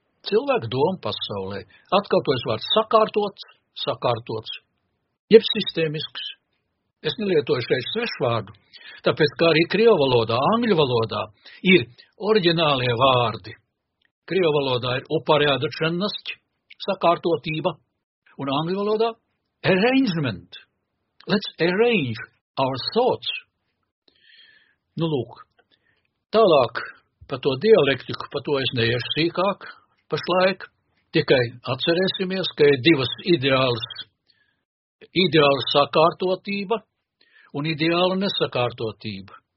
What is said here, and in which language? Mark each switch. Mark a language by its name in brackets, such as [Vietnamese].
[Latvian] Cilvēku doma pasaulē, atkārtojas vārds sakārtots, jeb sistēmisks. Es nelietoju šeit svešvārdu, tāpēc, kā arī krievvalodā, angļu valodā, ir oriģinālie vārdi. Krievvalodā ir [Russian] upareada čennasķi, [Latvian] sakārtotība, un angļu valodā arrangement. [English] Let's arrange our thoughts. [Latvian] Nu, lūk, tālāk pa to dialektiku, pa to es neiešu sīkāk. Pašlaik tikai atcerēsimies, ka ir divas ideāla sakārtotība un ideāla nesakārtotība.